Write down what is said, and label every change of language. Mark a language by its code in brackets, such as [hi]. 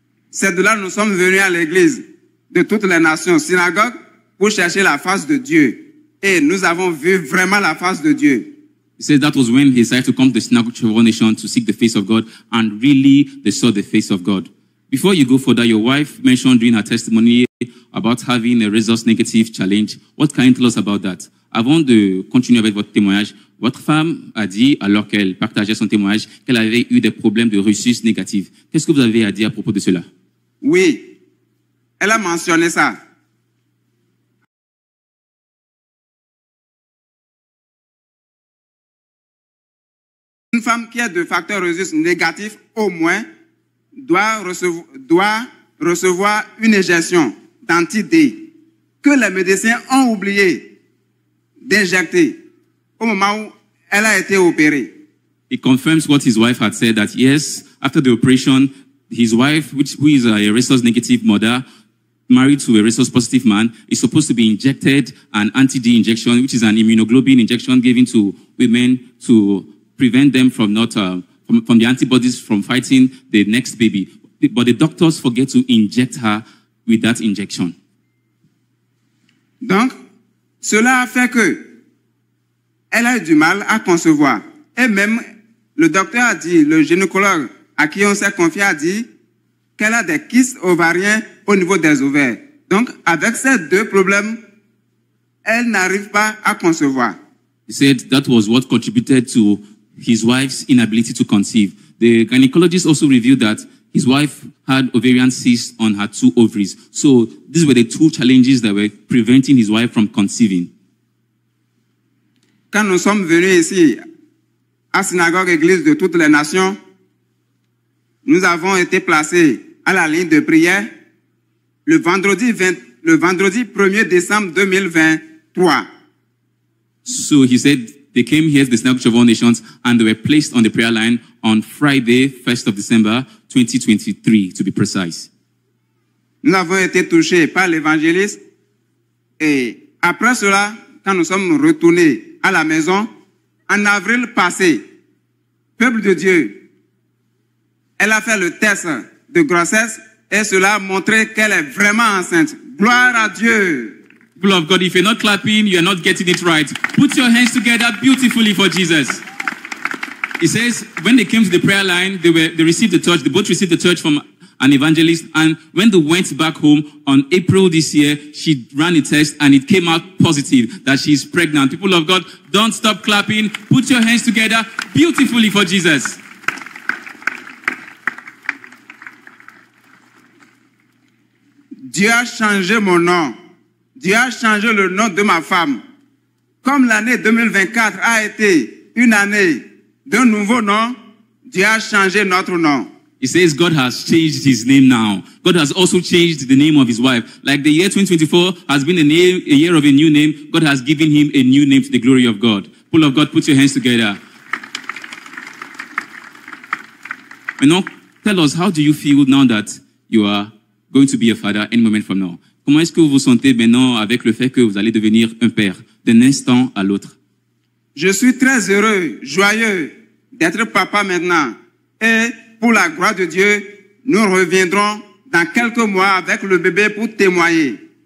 [fr] C'est de là que nous sommes venus à l'église de toutes les nations, synagogue, pour chercher la face de Dieu. Et nous avons vu vraiment la face de Dieu. [en] He says that was when he decided to come to the synagogue of all nations to seek the face of God, and really they saw the face of God. Before you go further, your wife mentioned during her testimony about having a resource negative challenge. What can you tell us about that? [fr] Avant de continuer avec votre témoignage, votre femme a dit, alors qu'elle partageait son témoignage, qu'elle avait eu des problèmes de ressources négatives. Qu'est-ce que vous avez à dire à propos de cela? Oui, elle a mentionné ça. Une femme qui a deux facteurs ressources négatifs, au moins, doit recevoir une injection d'anti-D que les médecins ont oublié d'injecter au moment où elle a été opérée. [en] It confirms what his wife had said, that yes, after the operation, his wife, who is a resource negative mother, married to a resource positive man, is supposed to be injected an anti-D injection, which is an immunoglobulin injection given to women to prevent them from not from the antibodies from fighting the next baby. But the doctors forget to inject her with that injection. [fr] Donc, cela a fait que elle a eu du mal à concevoir. Et même le docteur a dit, le gynécologue à qui on s'est confié a dit qu'elle a des kystes ovariens au niveau des ovaires. Donc, avec ces deux problèmes, elle n'arrive pas à concevoir. [en] He said that was what contributed to his wife's inability to conceive. The gynecologist also revealed that his wife had ovarian cysts on her two ovaries. So these were the two challenges that were preventing his wife from conceiving. [fr] Quand nous sommes venus ici, à synagogue église de toutes les nations, nous avons été placés à la ligne de prière le vendredi 1er décembre 2023. [en] So he said they came here to the synagogue of all nations and they were placed on the prayer line on Friday, 1st of December, 2023, to be precise. [fr] Nous avons été touchés par l'évangéliste et après cela, quand nous sommes retournés à la maison, en avril passé, peuple de Dieu, elle a fait le test de grossesse et cela a montré qu'elle est vraiment enceinte. Gloire à Dieu! [en] People of God, if you're not clapping, you're not getting it right. Put your hands together beautifully for Jesus. He says, when they came to the prayer line, they both received the touch from an evangelist. And when they went back home on April this year, she ran a test and it came out positive that she's pregnant. People of God, don't stop clapping. Put your hands together beautifully for Jesus. [fr] Dieu a changé mon nom. Dieu a changé le nom de ma femme. Comme l'année 2024 a été une année d'un nouveau nom, Dieu a changé notre nom. [en] He says God has changed his name now. God has also changed the name of his wife. Like the year 2024 has been a year of a new name, God has given him a new name to the glory of God. People of God, put your hands together. And now, tell us, how do you feel now that you are going to be a father any moment from now? [fr] Comment est-ce que vous vous sentez maintenant avec le fait que vous allez devenir un père d'un instant à l'autre? Je suis très heureux, joyeux d'être papa maintenant. Et pour la gloire de Dieu, nous reviendrons dans quelques mois avec le bébé pour témoigner.